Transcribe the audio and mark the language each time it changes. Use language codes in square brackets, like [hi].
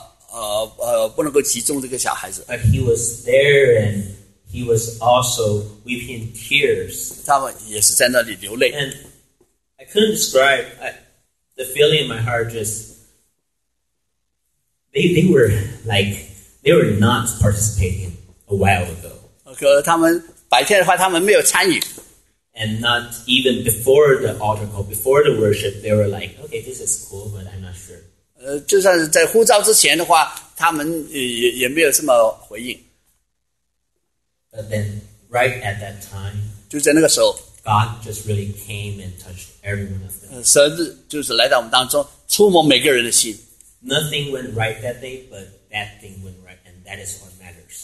[zh] 其中一个小孩子的话，他是有那个注意力不能够集中这个小孩子。 [en] But he was there and he was also weeping tears. [zh] 他们也是在那里流泪。 [en] And I couldn't describe the feeling in my heart. Just they were like they were not participating. A while ago. [zh] 他们白天的话他们没有参与 [en] And not even before the altar call, before the worship, they were like, okay, this is cool, but I'm not sure. [zh] 就算是在呼召之前的话,他们也没有什么回应 [en] But then, right at that time, [zh] 就在那个时候, [en] God just really came and touched every one of them. [zh] 神就是来到我们当中, 触摸每个人的心 [en] Nothing went right that day, but that thing went right, and that is what matters.